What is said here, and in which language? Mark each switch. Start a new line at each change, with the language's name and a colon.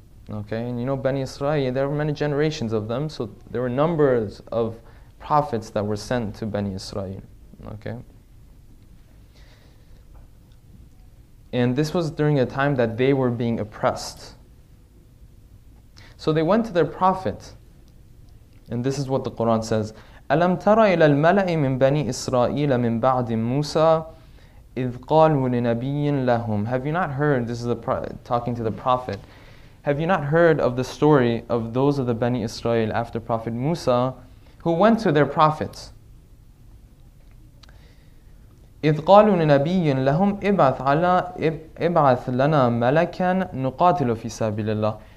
English: Okay, and you know Bani Israel, there were many generations of them, so there were numbers of prophets that were sent to Bani Israel. Okay. And this was during a time that they were being oppressed. So they went to their prophet, and this is what the Quran says,
Arabic: أَلَمْ تَرَ إِلَى الْمَلَأِ مِنْ بَنِي إِسْرَائِيلَ مِنْ بَعْدِ مُوسَى إِذْ قَالُوا لِنَبِيٍّ لَهُمْ.
English: Have you not heard, this is the talking to the Prophet, have you not heard of the story of those of the Bani Israel after Prophet Musa, who went to their prophets?
Arabic: إِذْ قَالُوا لِنَبِيٍّ لَهُمْ إِبْعَثْ لَنَا مَلَكًا نُقَاتِلُ فِي سَبِيلِ اللَّهِ.